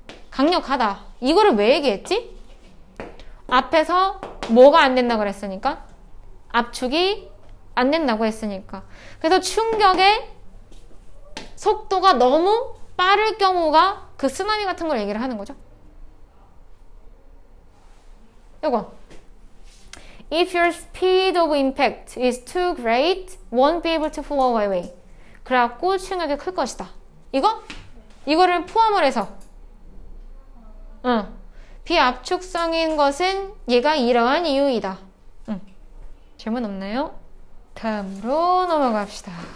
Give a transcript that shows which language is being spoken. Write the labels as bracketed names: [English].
[Korean] 강력하다. 이거를 왜 얘기했지? 앞에서 뭐가 안 된다고 그랬으니까. 압축이 안 된다고 했으니까. 그래서 충격의 속도가 너무 빠를 경우가 그 쓰나미 같은 걸 얘기를 하는 거죠. 이거. [English] If your speed of impact is too great, won't be able to flow away. [Korean] 그래갖고 충격이 클 것이다. 이거? 이거를 포함을 해서. 비압축성인 것은 얘가 이러한 이유이다. 질문 없나요? 다음으로 넘어갑시다.